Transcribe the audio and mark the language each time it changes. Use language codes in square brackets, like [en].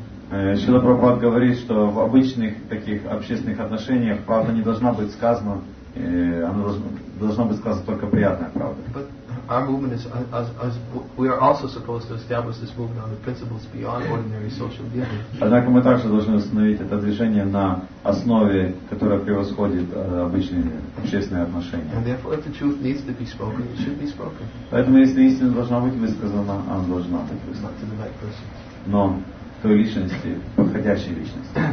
[ru] Шрила Прабхупад говорит, что в обычных таких общественных отношениях правда не должна быть сказана, она должна быть сказана только приятная правда. [en] But our movement is as we are also supposed to establish this movement on the principles beyond ordinary social dealings. [ru] Однако мы также должны установить это движение на основе, которая превосходит обычные общественные отношения. [en] And therefore, if the truth needs to be spoken, it should be spoken. [ru] Поэтому если истина должна быть высказана, она должна быть высказана. [en] Not to the right person. [ru] Но той личности, подходящей личности.